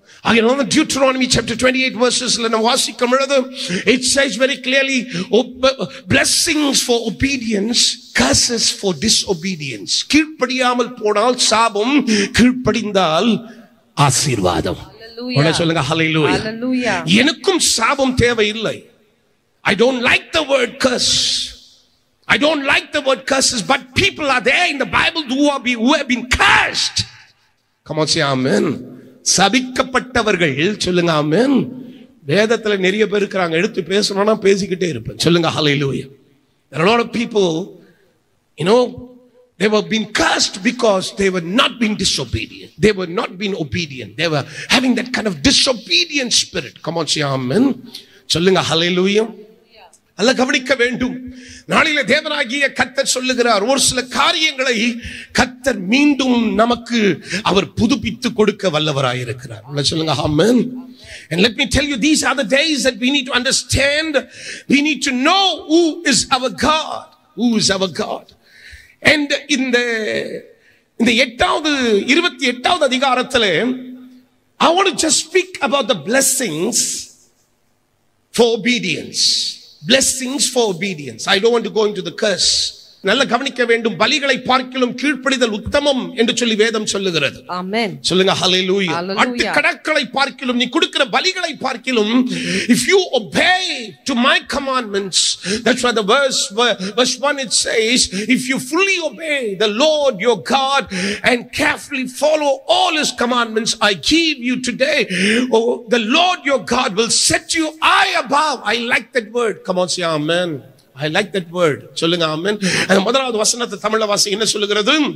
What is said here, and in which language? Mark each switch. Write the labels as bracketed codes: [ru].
[en] Again, on the Deuteronomy chapter 28 verses, let me wasikkum rather, it says very clearly, blessings for obedience, curses for disobedience. [ta] கீழ்ப்படியாமல் போனால் சாபம், கீழ்ப்படிந்தால் ஆசீர்வாதம். [en] Hallelujah. [ta] சொல்லுங்க hallelujah. [en] Hallelujah. [ta] எனக்கும் சாபம் தேவையில்லை. [en] I don't like the word curse. I don't like the word curses, but people are there in the Bible who have been cursed. Come on, say amen. [ta] சபிக்கப்பட்டவர்கள் சொல்லுங்க ஆமென். வேதத்துல நிறைய பேர் இருக்கிறாங்க, எடுத்து பேசணும்னா பேசிக்கிட்டே இருப்பேன். சொல்லுங்க ஹல்லேலூயா. [en] There are a lot of people, you know, they were being cursed because they were not being disobedient. They were not being obedient. They were having that kind of disobedient spirit. Come on, say amen. [ta] சொல்லுங்க ஹல்லேலூயா. அல்ல கவனிக்க வேண்டும், நாளில தேவனாகிய கர்த்தர் சொல்லுகிறார், ஒரு சில காரியங்களை கர்த்தர் மீண்டும் நமக்கு அவர் புதுப்பித்து கொடுக்க வல்லவராயிருக்கிறார். சொல்லுங்க ஆமென். [en] And let me tell you, these are the days that we need to understand, we need to know who is our God, who is our God. And in the 28th அதிகாரத்தில் I want to just speak about the blessings for obedience. Blessings for obedience. I don't want to go into the curse. [ta] நல்ல கவனிக்க வேண்டும், பலிகளை பார்க்கிலும் கீழ்ப்படிதல் உத்தமம் என்று சொல்லி வேதம் சொல்லுகிறது. [en] Amen. [ta] சொல்லுங்க hallelujah. அட்டு கடக்களை பார்க்கிலும், நீ கொடுக்கிற பலிகளை பார்க்கிலும், [en] if you obey to my commandments, that's why the verse 1 it says, if you fully obey the Lord your God and carefully follow all his commandments I give you today, oh, the Lord your God will set you high above. I like that word. Come on, say amen. I like that word. [ta] சொல்லுங்க ஆமென். அந்த முதலாவது வசனத்தை தமிழ்ல வாசி என்ன சொல்லுகிறது?